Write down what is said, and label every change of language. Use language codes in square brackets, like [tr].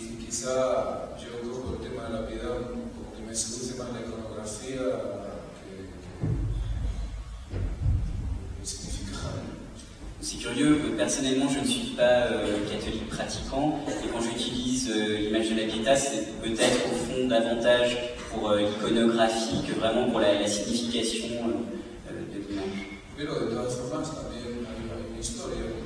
[es] Quizá yo cojo el tema de la piedad como que me seduce más la iconografía que el significado. [fr] C'est curieux, personnellement je ne suis pas catholique pratiquant, et quand j'utilise l'image de la Pietà, c'est peut-être au fond davantage pour l'iconographie que vraiment pour la signification de l'image. [es] Pero de todas formas también hay una historia.